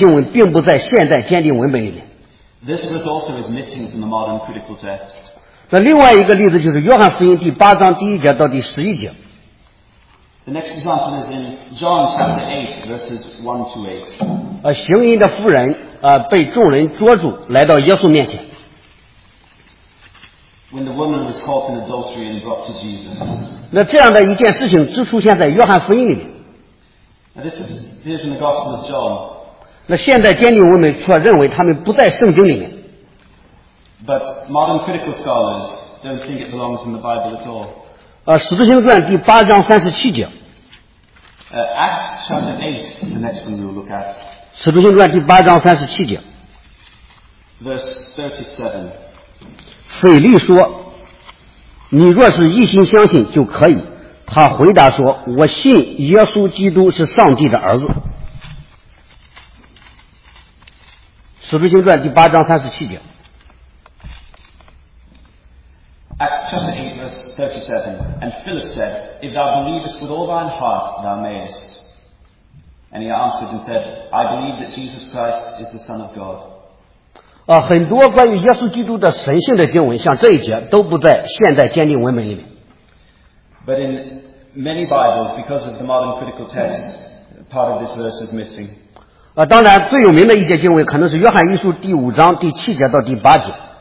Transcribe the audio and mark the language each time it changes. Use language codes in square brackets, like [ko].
[zh] 那这样的一节经文并不在现代鉴定文本里面。 [en] This verse also is missing from the modern critical text. [zh] 那另外一个例子就是约翰福音第8章第1节到第11节。 [en] The next example is in John chapter 8, verses 1 to 8. [zh] 行淫的妇人被众人捉住来到耶稣面前。 [en] When the woman was caught in adultery and brought to Jesus. [zh] 那这样的一件事情只出现在约翰福音里面。 [en] This is here in the Gospel of John. [zh] 那现代鉴定文本却认为他们不在圣经里面。 [en] But modern critical scholars don't think it belongs in the Bible at all. [zh] 使徒行传第8章37节。 [en] Acts chapter 8 is the next one we'll look at. [zh] 使徒行传第8章37节。 [en] Verse 37. [zh] 腓力说，你若是一心相信就可以。他回答说，我信耶稣基督是上帝的儿子。使徒行传第八章三十七节。 [en] Acts chapter 8 verse 37, and Philip said, If thou believest with all thine heart, thou mayest. And he answered and said, I believe that Jesus Christ is the Son of God. [zh] 很多关于耶稣基督的神性的经文，像这一节，都不在现代坚定文本里面。 [en] But in many Bibles, because of the modern critical texts, part of this verse is missing. [zh] 当然最有名的一节经文可能是约翰一书第五章第七节到第八节。